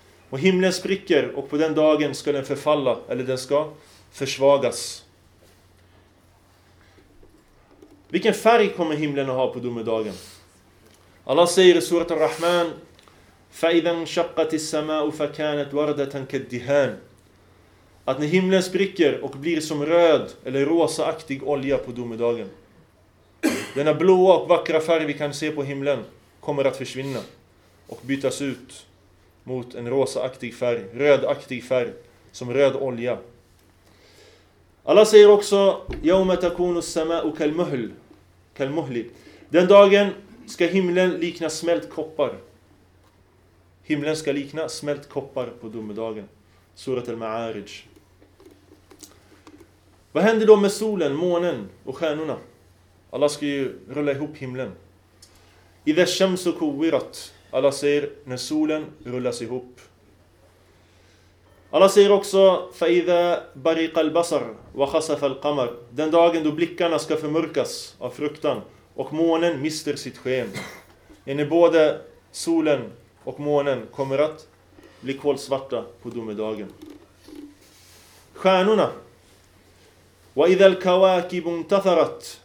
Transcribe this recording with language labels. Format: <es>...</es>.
<sv>Och himlen spricker och på den dagen ska den förfalla eller den ska försvagas. Vilken färg kommer himlen att ha på domedagen? Allah säger i surat al-Rahman,</sv> <ar>فَإِذَا شَقَّتِ السَّمَاءُ فَكَانَتْ وَرْدَةً كَدِّهَانِ.</ar> <sv>att när himlen spricker och blir som röd eller rosaaktig olja på domedagen. Denna blåa och vackra färg vi kan se på himlen kommer att försvinna och bytas ut mot en rosaaktig färg, rödaktig färg, som röd olja. Allah säger också</sv> <ar>يَوْمَ تَكُونُ السَّمَاءُ كَالْمُهْلِ.</ar> <sv>Den dagen ska himlen likna smält koppar. Himlen ska likna smält koppar på domedagen. Surat al-Ma'arij. Vad händer då med solen, månen och stjärnorna? Allah ska ju rulla ihop himlen.</sv> <ar>إِذَا الشَّمْسُ كُوِّرَتْ.</ar> <sv>Allah säger när solen rullas ihop. Allah säger också</sv> <ar>فَإِذَا بَرِقَ الْبَصَرُ وَخَسَفَ الْقَمَرُ.</ar> <sv>Den dagen då blickarna ska förmörkas av fruktan och månen mister sitt sken. Än både solen och månen kommer att bli kolsvarta på domedagen. Stjärnorna.</sv> <ar>وَإِذَا الْكَوَاكِبُ انْتَثَرَتْ.</ar>